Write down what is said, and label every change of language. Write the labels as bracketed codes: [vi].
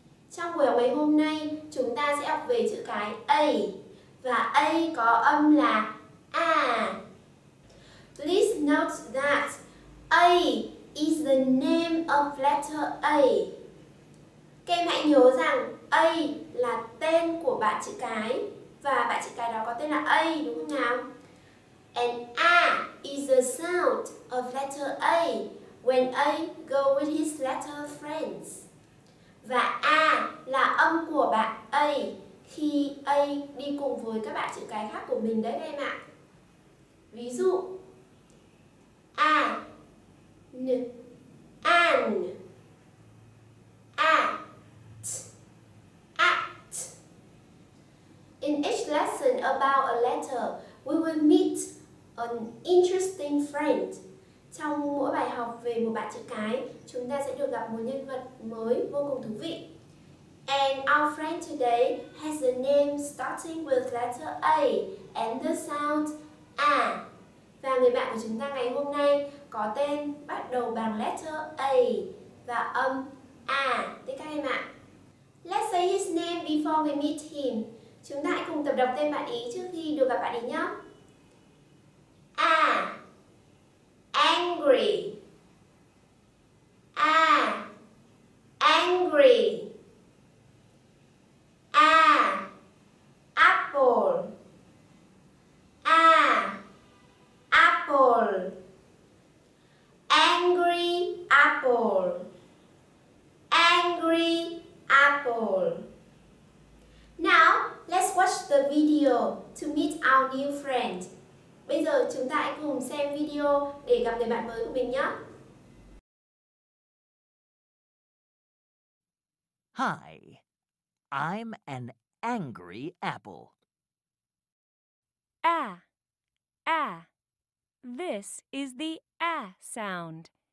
[vi] Trong buổi học ngày hôm nay, chúng ta sẽ học về chữ cái A, và A có âm là A. [en] Please note that A is the name of letter A. [vi] Các em hãy nhớ rằng A là tên của bảng chữ cái, và bảng chữ cái đó có tên là A, đúng không nào? [en] And A is the sound of letter A when A go with his letter friends. [vi] Và A là âm của bạn A khi A đi cùng với các bạn chữ cái khác của mình đấy em ạ. Ví dụ A, N, An, At, At. [en] In each lesson about a letter, we will meet an interesting friend. [vi] Trong mỗi bài học về một bạn chữ cái, chúng ta sẽ được gặp một nhân vật mới vô cùng thú vị. [en] And our friend today has a name starting with letter A and the sound A. [vi] Và người bạn của chúng ta ngày hôm nay có tên bắt đầu bằng letter A và âm A. Thế các em ạ. [en] Let's say his name before we meet him. [vi] Chúng ta hãy cùng tập đọc tên bạn ý trước khi được gặp bạn ý nhé. [en] A, angry. A, angry. A, apple. A, apple. Angry apple. Angry apple. Now, let's watch the video to meet our new friend. [vi] Bây giờ chúng ta hãy cùng xem video để gặp người bạn mới của mình nhé. [en] Hi, I'm an angry apple. A, A. This is the A sound.